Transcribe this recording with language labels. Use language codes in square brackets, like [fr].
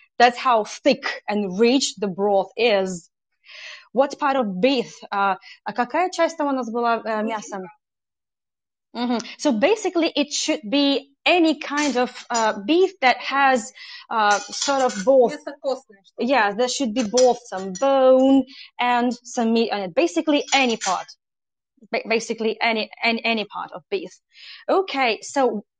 [en] That's how thick and rich the broth is. What part of beef? [ru] А какая часть там у нас была мясом? Mm-hmm. [en] So basically, it should be any kind of beef that has sort of both. Yeah, there should be both some bone and some meat on it. Basically, any part. Basically, any part of beef. Okay, so.